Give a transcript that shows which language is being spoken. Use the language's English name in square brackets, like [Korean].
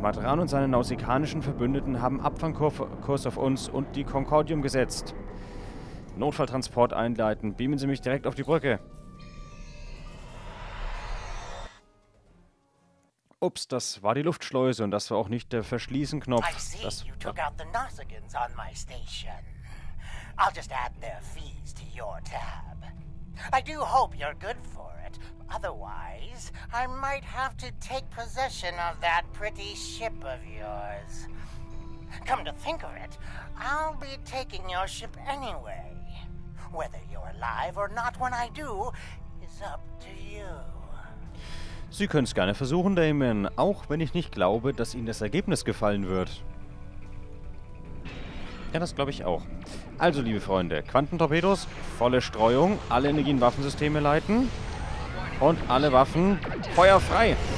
[German] Madran und seine nausikanischen Verbündeten haben Abfangkurs auf uns und die Concordium gesetzt. Notfalltransport einleiten. Beamen Sie mich direkt auf die Brücke. Ups, das war die Luftschleuse und das war auch nicht der Verschließenknopf. [English] I see, you took out the Nosigans on my station. I'll just add their fees to your tab. I do hope you're good for it. Otherwise, I might have to take possession of that pretty ship of yours. Come to think of it, I'll be taking your ship anyway. Whether you're alive or not when I do, is up to you. [German] Sie können es gerne versuchen, Damon, auch wenn ich nicht glaube, dass Ihnen das Ergebnis gefallen wird. Ja, das glaube ich auch. Also, liebe Freunde, Quantentorpedos, volle Streuung, alle Energie- und Waffensysteme leiten und alle Waffen feuerfrei.